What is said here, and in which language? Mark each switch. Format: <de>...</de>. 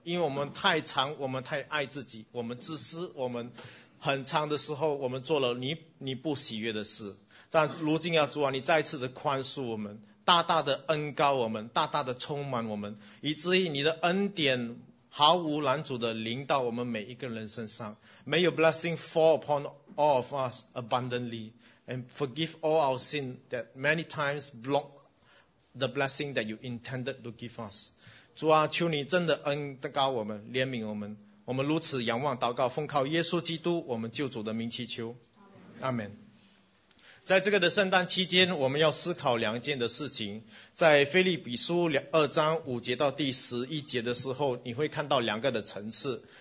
<zh>因为我们太常，我们太爱自己，我们自私，我们很长的时候我们做了你不喜悦的事。但如今啊，主啊，你再次的宽恕我们，大大的恩高我们，大大的充满我们，以至于你的恩典毫无拦阻的临到我们每一个人身上。</zh> <en>May your blessing fall upon all of us abundantly and forgive all our sin that many times block the blessing that you intended to give us。</en> <zh>主啊，求你真的恩高我们，怜悯我们，我们如此仰望祷告，奉靠耶稣基督我们救主的名祈求， Amen。在这个的圣诞期间，我们要思考两件的事情。在腓立比书二章五节到第十一节的时候，你会看到两个的层次。</zh>